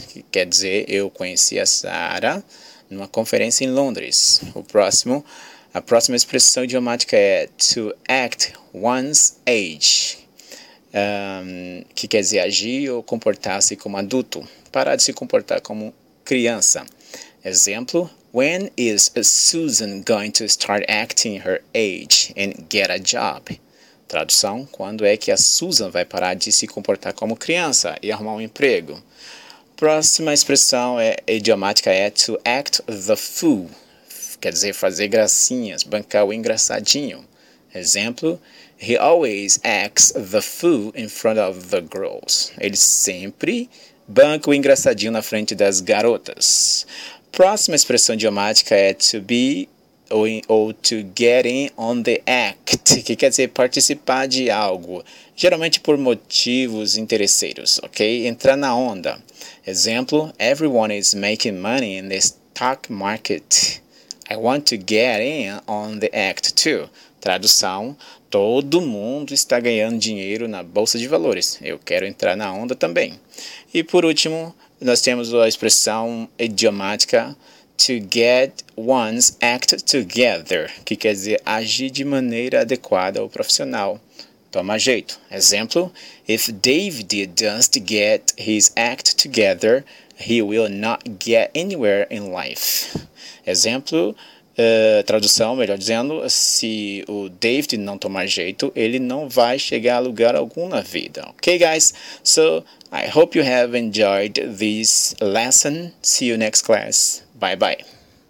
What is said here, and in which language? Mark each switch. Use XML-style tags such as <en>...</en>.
<pt>Que quer dizer, eu conheci a Sarah numa conferência em Londres. A próxima expressão idiomática é to act one's age. Que quer dizer agir ou comportar-se como adulto. Parar de se comportar como criança.</pt> <en>Exemplo, when is Susan going to start acting her age and get a job?</en> <pt>Tradução, quando é que a Susan vai parar de se comportar como criança e arrumar um emprego? Próxima expressão idiomática é to act the fool, quer dizer fazer gracinhas, bancar o engraçadinho.</pt> <en>Exemplo, he always acts the fool in front of the girls.</en> <pt>Ele sempre banca o engraçadinho na frente das garotas. Próxima expressão idiomática é to be ou to get in on the act, que quer dizer participar de algo, geralmente por motivos interesseiros, ok? Entrar na onda.</pt> <en>Exemplo, everyone is making money in the stock market. I want to get in on the act too.</en> <pt>Tradução, todo mundo está ganhando dinheiro na bolsa de valores. Eu quero entrar na onda também. E por último, nós temos a expressão idiomática to get one's act together, que quer dizer agir de maneira adequada ou profissional. Toma jeito.</pt> <en>Exemplo, if David doesn't get his act together, he will not get anywhere in life. Exemplo,</en> <pt>Tradução, melhor dizendo, se o David não tomar jeito, ele não vai chegar a lugar algum na vida.</pt> <en>Okay, guys? So, I hope you have enjoyed this lesson. See you next class. Bye bye.</en>